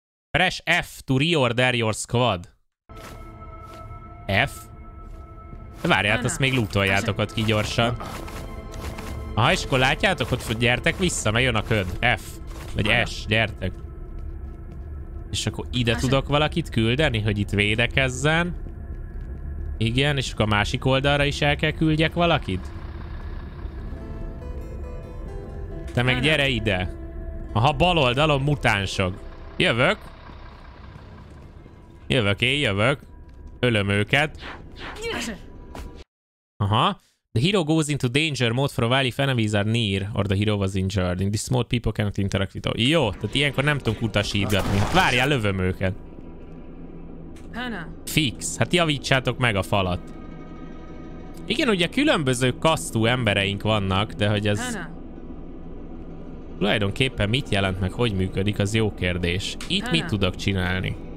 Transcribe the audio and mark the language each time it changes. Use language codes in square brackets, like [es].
[en] Press F to reorder your squad. [hu] F? Várjál, hát azt még lootoljátok ott ki gyorsan. Aha, és akkor látjátok, hogy gyertek vissza, mert jön a köd. F. Vagy S, gyertek. És akkor ide tudok valakit küldeni, hogy itt védekezzen. Igen, és akkor a másik oldalra is el kell küldjek valakit. Te meg gyere ide. Aha, bal oldalon mutánsok. Jövök. Jövök, én jövök. Ölöm őket. Aha. [en] The hero goes into danger mode for a while if enemies are near, or the hero was injured. In this mode people cannot interact with all. [hu] Jó, tehát ilyenkor nem tudunk utasítgatni. Várjál, lövöm őket. Fix. Hát javítsátok meg a falat. Igen, ugye különböző kasztú embereink vannak, de hogy ez... Tulajdonképpen mit jelent meg, hogy működik, az jó kérdés. Itt mit tudok csinálni?